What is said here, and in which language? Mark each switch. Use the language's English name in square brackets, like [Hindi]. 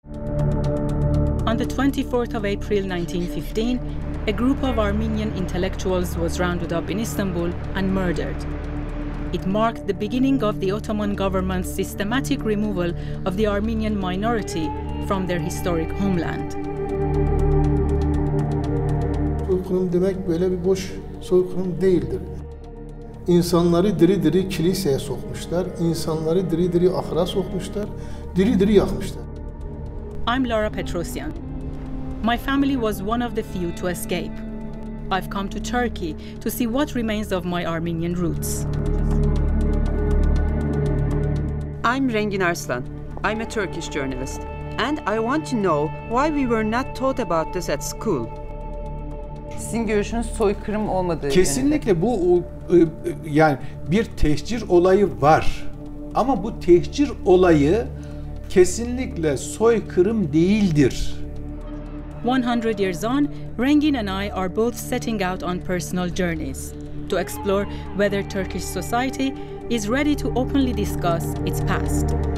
[English] On the 24th of April 1915, a group of Armenian intellectuals was rounded up in Istanbul and murdered. It marked the beginning of the Ottoman government's systematic removal of the Armenian minority from their historic homeland. [Turkish] Soykırım demek böyle bir boş soykırım değildir. İnsanları diri diri kiliseye sokmuşlar, insanları diri diri ahıra sokmuşlar, diri diri yakmışlar. [English] I'm Lara Petrossian. My family was one of the few to escape. I've come to Turkey to see what remains of my Armenian roots. I'm Rengin Arslan. I'm a Turkish journalist. And I want to know why we were not taught about this at school. [Turkish] Sizin görüşünüz soykırım olmadığı. Kesinlikle bu yani bir tehcir olayı var. Ama bu tehcir olayı kesinlikle soykırım değildir. [English] 100 years on, Rengin and I are both setting out on personal journeys to explore whether Turkish society is ready to openly discuss its past.